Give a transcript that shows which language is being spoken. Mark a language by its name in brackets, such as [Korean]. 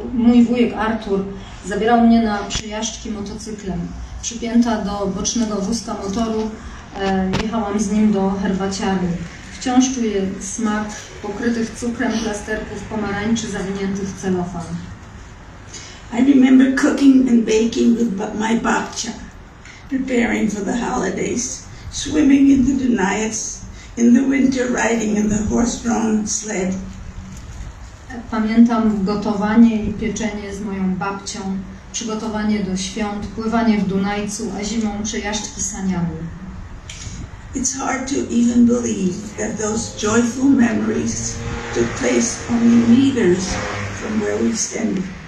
[Polish] Mój wujek Artur zabierał mnie na przejażdżki motocyklem. Przypięta do bocznego wózka motoru, jechałam z nim do herbaciarni. Wciąż czuję smak pokrytych cukrem plasterków pomarańczy zawiniętych w celofan. [English] I remember cooking and baking with my babcia, preparing for the holidays, swimming in the Dunajec, in the winter riding in the horse-drawn sled. [Polish] Pamiętam gotowanie i pieczenie z moją babcią, przygotowanie do świąt, pływanie w Dunajcu, a zimą przejażdżki saniami. [English] It's hard to even believe that those joyful memories took place only meters from where we stand.